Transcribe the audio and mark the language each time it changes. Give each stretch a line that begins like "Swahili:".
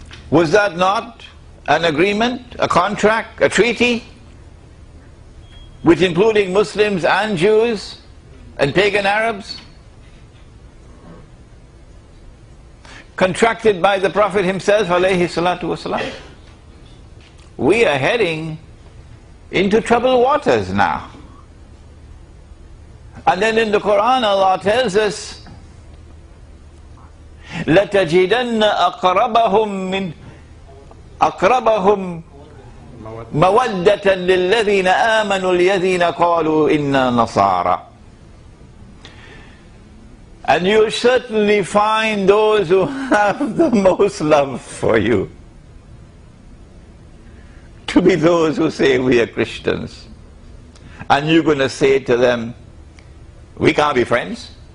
English: Was that not an agreement, a contract, a treaty, which including Muslims and Jews and pagan Arabs? Contracted by the Prophet himself, alayhi salatu wasalam. We are heading into troubled waters now. And then in the Quran, Allah tells us,
Arabic: لَتَجِدَنَّ أَقْرَبَهُمْ مِنْ أَقْرَبَهُمْ مَوَدَّةً لِلَّذِينَ آمَنُوا الَّذِينَ قَالُوا إِنَّا نَصَارَى.
English: And you certainly find those who have the most love for you to be those who say we are Christians. And you're going to say to them, we can't be friends.